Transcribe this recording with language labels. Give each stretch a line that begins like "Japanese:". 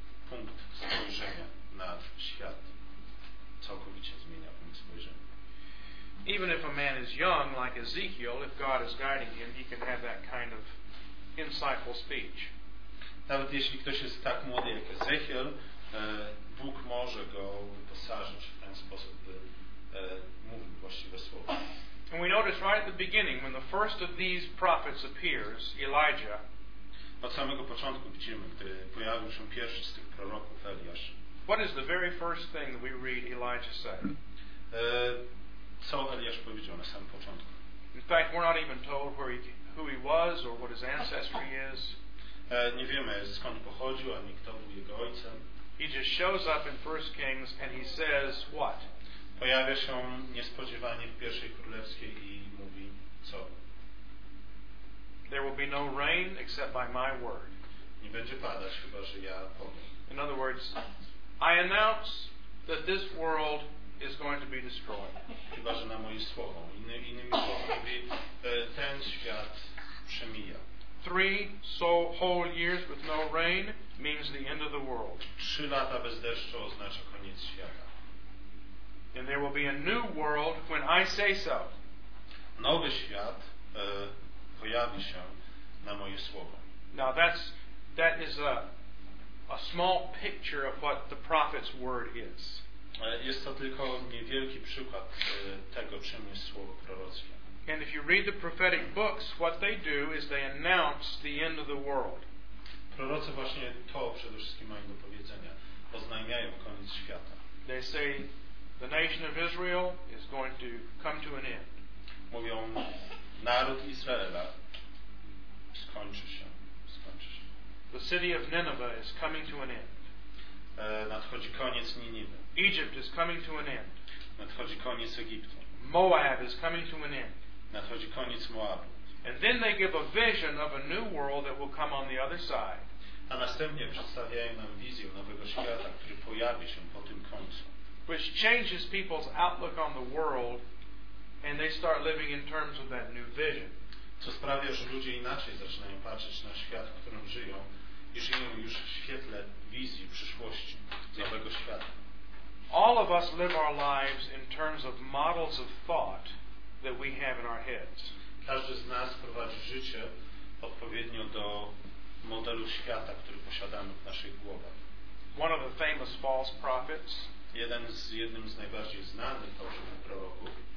Polish: Punkt spojrzenia na świat całkowicie zmienia punkt spojrzenia.
English: Even if a man is young, like Ezekiel, if God is guiding him, he can have that kind of insightful speech.
Polish: Nawet jeśli ktoś jest tak młody jak Ezekiel, Bóg może go wyposażyć w ten sposób, by mówił właściwe słowa.
English: And we notice right at the beginning, when the first of these prophets appears, Elijah.
Polish: Od samego początku widzimy, gdy pojawił się pierwszy z tych proroków, Eliasz.
English: What is the very first thing we read Elijah say?
Polish: Co Eliasz powiedział na samym początku?
English: In fact, we're not even told who he was or what his ancestry is.
Polish: Nie wiemy, skąd pochodził, ani kto był jego ojcem.
English: He just shows up in 1 Kings and he says what?
Polish: Pojawia się niespodziewanie w pierwszej królewskiej i mówi co?
English: There will be no rain except by my word.
Polish: Nie będzie padać, chyba że ja powiem.
English: In other words, I announce that this world is going to be destroyed.
Polish: Chyba że na moje słowo. Innymi słowy mówi, ten świat przemija.
English: 3 whole years with no rain means the end of the world.
Polish: 3 lata bez deszczu oznacza koniec świata.
English: And there will be a new world when I say so.
Polish: Nowy świat pojawi się na moje słowo.
English: Now that is a small picture of what the prophet's word is.
Polish: Jest to tylko niewielki przykład tego, czym jest słowo prorockie.
English: And if you read the prophetic books, what they do is they announce the end of the world.
Polish: Prorocy właśnie to przede wszystkim mają do powiedzenia. Oznajmiają koniec świata.
English: They say the nation of Israel is going to come to an end.
Polish: Mówią, naród Izraela skończy się.
English: The city of Nineveh is coming to an end.
Polish: Nadchodzi koniec Niniwy.
English: Egypt is coming to an end.
Polish: Nadchodzi koniec Egiptu.
English: Moab is coming to an end.
Polish: Nadchodzi koniec Moabu.
English: And then they give a vision of a new world that will come on the other side.
Polish: A następnie przedstawiają nam wizję nowego świata, który pojawi się po tym końcu.
English: Which changes people's outlook on the world. And they start living in terms of that new vision.
Polish: Co sprawia, że ludzie inaczej zaczynają patrzeć na świat, w którym żyją, i żyją już w świetle wizji przyszłości, nowego świata.
English: all of us live our lives in terms of models of thought that we have in our heads.
Polish: Każdy z nas prowadzi życie odpowiednio do modelu świata, który posiadamy w naszych głowach.
English: One of the famous false prophets,
Polish: jednym z najbardziej znanych fałszywych proroków,